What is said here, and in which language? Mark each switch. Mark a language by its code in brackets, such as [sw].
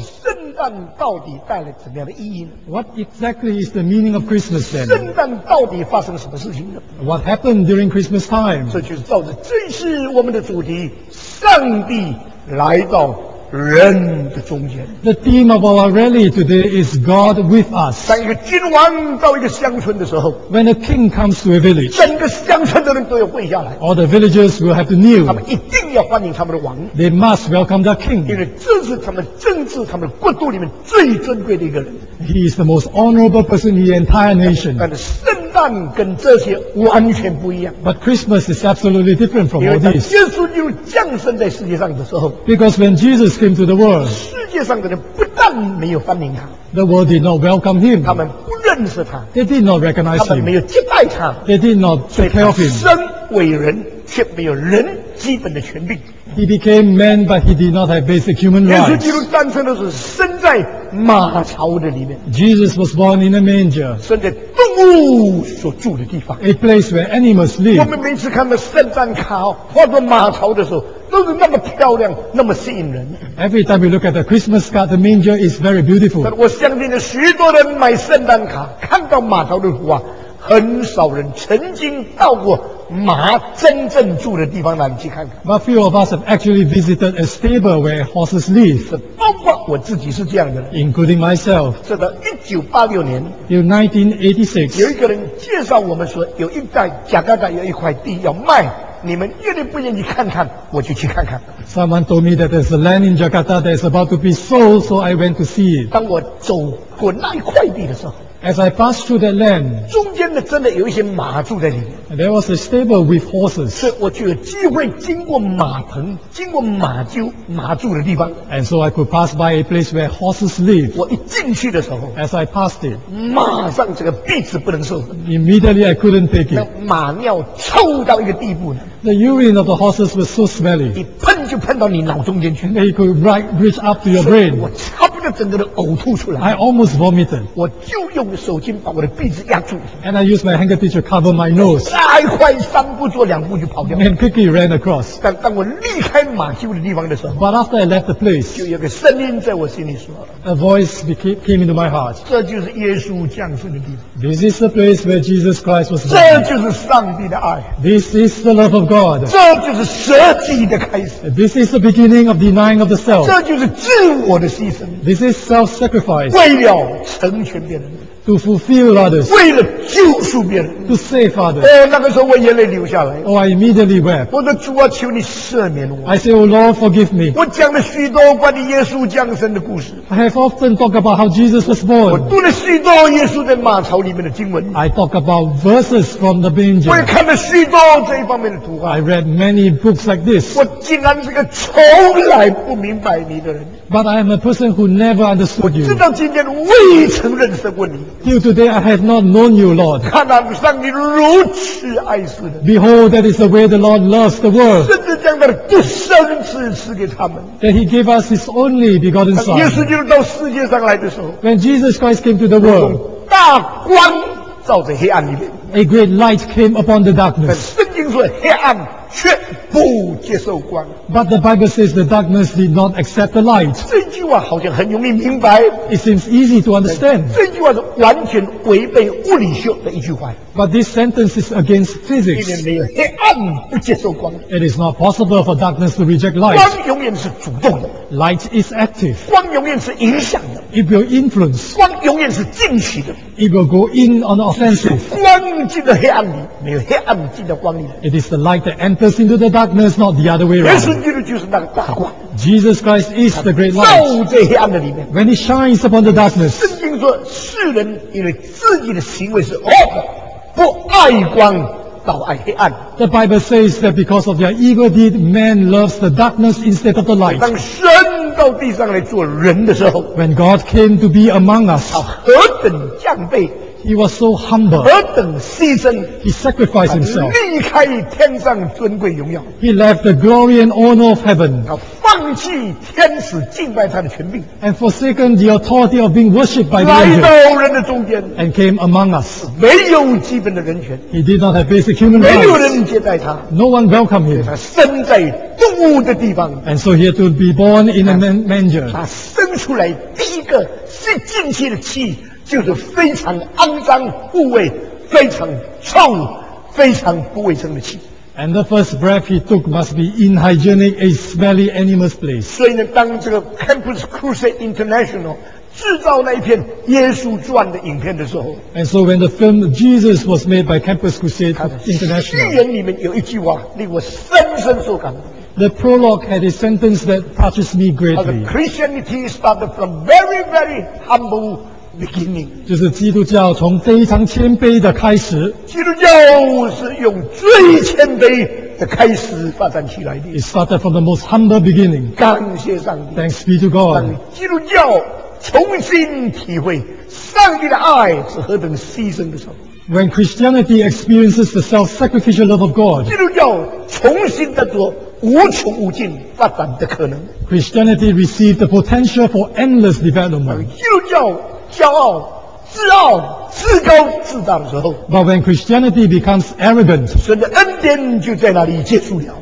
[zh] 圣诞到底带来怎么样的意义呢 [en] ？What exactly is the meaning of Christmas then? [zh] 圣诞到底发生什么事情呢 [en] ？What happened during Christmas time? [zh] 这就是照着这是我们的主题，上帝来到人的中间。 [en] The theme of our rally today is God with us. [zh] 当一个君王到一个乡村的时候 [en] ，When a king comes to a village, [zh] 整个乡村的人都要跪下来。 [en] All the villagers will have to kneel. [zh] 他们一定要欢迎他们的王。 [en] They must welcome their king. [zh] 因为这是他们政治他们国度里面最尊贵的一个人。 [en] He is the most honorable person in the entire nation. [zh] 但是圣诞跟这些完全不一样。 [en] But Christmas is absolutely different from all this. [zh] 耶稣就降生在世界上的时候 [en] ，Because when Jesus came to the world. [zh] 世界上的人不但没有欢迎他 [en] The world did not welcome him. [zh] 他们不认识他 [en] They did not recognize him. [zh] 他们没有接待他 [en] They did not take care of him. [zh] 身为人却没有人基本的权利 [en] He became man but he did not have basic human rights. [zh] 耶稣基督诞生的时候生在马槽的里面 [en] Jesus was born in a manger. [zh] 生在动物所住的地方 [en] A place where animals live. [zh] 我们每次看到圣诞卡或者马槽的时候都是那么漂亮，那么吸引人。 [en] Every time we look at the Christmas card, the manger is very beautiful. [zh] 但我相信的许多人买圣诞卡，看到马槽的图啊，很少人曾经到过马真正住的地方那里去看看。 [en] But few of us have actually visited a stable where horses live. [zh] 是包括我自己是这样的。 [en] Including myself. [zh] 直到1986年 [en] ，1986， [zh] 有一个人介绍我们说，有一带贾嘎嘎有一块地要卖。你们愿意不愿意看看我就去看看 [en] Someone told me that there's a land in Jakarta that is about to be sold so I went to see it [zh] 当我走过那一块地的时候 [en] As I passed through that land [zh] 中间的真的有一些马住在里面 [en] There was a stable with horses [zh] 所以我就有机会经过马棚经过马厩马住的地方 [en] And so I could pass by a place where horses live [zh] 我一进去的时候 [en] As I passed it [zh] 马上这个鼻子不能受 [en] Immediately I couldn't take it [zh] 那马尿臭到一个地步呢 [en] The urine of the horses was so smelly [zh] 一喷就喷到你脑中间去 [en] And it could reach up to your brain [zh] 我差不多整个的呕吐出来 [en] I almost vomited [zh] 我就用手巾把我的鼻子压住 [en] And I used my handkerchief to cover my nose [zh] 太快三步做两步就跑掉 [en] And quickly ran across [zh] 但当我离开马厩的地方的时候 [en] But after I left the place [zh] 就有个声音在我心里说 [en] A voice came into my heart [zh] 这就是耶稣降生的地方 [en] This is the place where Jesus Christ was born [zh] 这就是上帝的爱 [en] This is the love of God [zh] 这就是舍己的开始 [en] This is the beginning of denying of the self [zh] 这就是自我的牺牲 [en] This is self-sacrifice [zh] 为了成全别人 [en] To fulfill others. [zh] 为了救赎别人 [en] To save others. [zh] 那个时候我眼泪流下来 [en] Oh, I immediately wept. [zh] 我说主啊求你赦免我 [en] I said, Oh Lord, forgive me. [zh] 我讲了许多关于耶稣降生的故事 [en] I have often talked about how Jesus was born. [zh] 我读了许多耶稣在马槽里面的经文 [en] I talk about verses from the manger. [zh] 我也看了许多这一方面的图画 [en] I read many books like this. [zh] 我竟然是个从来不明白你的人 [en] But I am a person who never understood you. [zh] 我直到今天未曾认识过你 [en] Till today, I have not known you, Lord. [zh] 看到上帝如此爱世人。 [en] Behold, that is the way the Lord loves the world. [zh] 甚至将他的独生子赐给他们。 [en] That He gave us His only begotten Son. [zh] 耶稣基督到世界上来的时候 [en] ，When Jesus Christ came to the world, [zh] 大光照在黑暗里面。 [en] A great light came upon the darkness. [zh] 但圣经说黑暗却不接受光。 [en] But the Bible says the darkness did not accept the light. [zh] 这句话好像很容易明白。 [en] It seems easy to understand. [zh] 这句话是完全违背物理学的一句话。 [en] But this sentence is against physics. [zh] 因为黑暗不接受光。 [en] It is not possible for darkness to reject light. [zh] 光永远是主动的。 [en] Light is active. [zh] 光永远是影响的。 [en] It will influence. [zh] 光永远是进取的。 [en] It will go in on the offensive. [zh] 光进到黑暗里，没有黑暗进到光里。 [en] It is the light that enters into the darkness, not the other way around. [zh] 耶稣基督就是那个大光。 [en] Jesus Christ is the great light. [zh] 照在黑暗的里面。 [en] When He shines upon the darkness. [zh] 圣经说，世人因为自己的行为是恶的，不爱光。 [en] The Bible says that because of their evil deed, man loves the darkness instead of the light. [zh] 当神到地上来做人的时候 [en] ，When God came to be among us, [zh] 他何等降卑 [en] He was so humble. [zh] 何等牺牲。 [en] He sacrificed himself. [zh] 离开天上尊贵荣耀。 [en] He left the glory and honor of heaven. [zh] 他放弃天使敬拜他的权柄。 [en] And forsaken the authority of being worshipped by the angels. [zh] 来到人的中间。 [en] And came among us. [zh] 没有基本的人权。 [en] He did not have basic human rights. [zh] 没有人接待他。 [en] No one welcomed him. [zh] 他生在动物的地方。 [en] And so he had to be born in a manger. [zh] 他生出来第一个吸进去的气就是非常肮脏、污秽、非常臭、非常不卫生的气。 [en] And the first breath he took must be inhygienic, a smelly animal's place. [zh] 所以呢，当这个 Campus Crusade International 制造那一片耶稣传的影片的时候 [en] ，And so when the film Jesus was made by Campus Crusade International， [zh] 序言里面有一句话令我深深受感动。 [en] The prologue had a sentence that touches me greatly. Christianity started from very, very humble. Beginning. [zh] 就是基督教从非常谦卑的开始。基督教是用最谦卑的开始发展起来的。 [en] It started from the most humble beginning. [zh] 感谢上帝。 [en] Thanks be to God. [zh] 基督教重新体会上帝的爱是何等牺牲的时候。 [en] When Christianity experiences the self-sacrificial love of God. [zh] 基督教重新得着无穷无尽发展的可能。 [en] Christianity received the potential for endless development. [zh] 基督教骄傲、自傲、自高、自大的时候 [en] ，But when Christianity becomes arrogant， [zh] 神的恩典就在那里结束了。